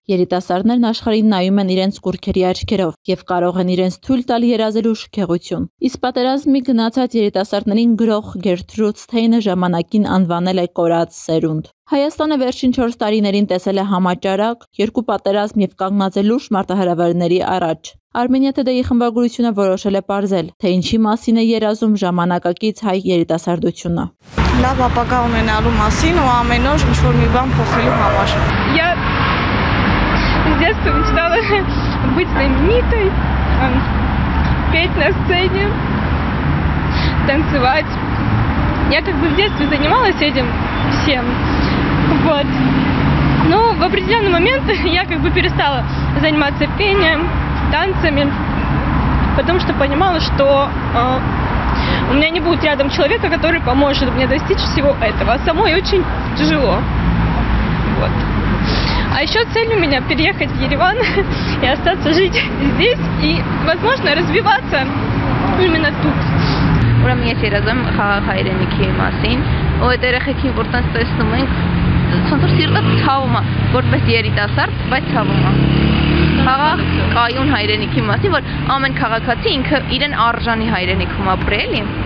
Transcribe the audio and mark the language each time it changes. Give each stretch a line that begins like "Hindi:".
Armenian: Երիտասարդներն աշխարհին նայում են իրենց կուրքերի աչքերով և կարող են իրենց թույլ տալ երազելու շքեղություն։ Իսկ պատերազմի գնացած երիտասարդներին գրող Գերտրուդ Սթեյնը ժամանակին անվանել է կորած սերունդ։ Հայաստանը վերջին 4 տարիներին տեսել է համաճարակ, երկու պատերազմ և կանգնածել լուրջ մարտահրավերների առաջ։ Արմենիա ԹԴ-ի խմբագրությունը որոշել է պարզել, թե ինչի մասին է երազում ժամանակակից հայ երիտասարդությունը։ Լավ ապագա ունենալու մասին ու ամեն օր ինչ-որ մի բան փոխելու համար։
Russian: Я детство мечтала быть знаменитой, петь на сцене, танцевать. Я как бы в детстве занималась этим всем. Вот. Но в определенный момент я как бы перестала заниматься пением, танцами, потому что понимала, что у меня не будет рядом человека, который поможет мне достичь всего этого. Самой очень тяжело. Вот. А еще цель у меня переехать в Ереван и остаться жить здесь и, возможно, развиваться именно тут.
Armenian: Ուրեմն ես երազում հայրենիքի մասին, ու այդ երեխեքին որ տենց տեսնում ենք, ցանկացած սիրտը ցավում է, որպես երիտասարդ, բայց ցավում է։ Խաղաղ կայուն հայրենիքի մասին, որ ամեն քաղաքացի ինքը իրեն արժանի հայրենիքում ապրի, էլի։